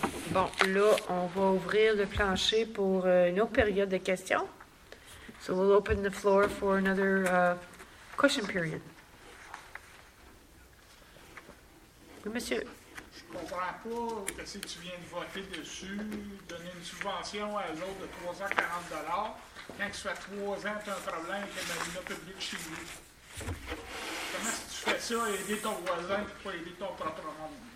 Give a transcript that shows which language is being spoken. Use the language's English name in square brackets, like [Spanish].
[French] Bon, là, on va ouvrir le plancher pour une autre période de questions. [English] So we'll open the floor for another question period. [French] Oui, monsieur. Je comprends pas que si tu viens de voter dessus, donner une subvention à l'autre de 340 $, quand tu fais 3 ans, tu as un problème avec la ville publique chez lui. Comment est-ce que tu fais ça, aider ton voisin pour pas aider ton propre monde?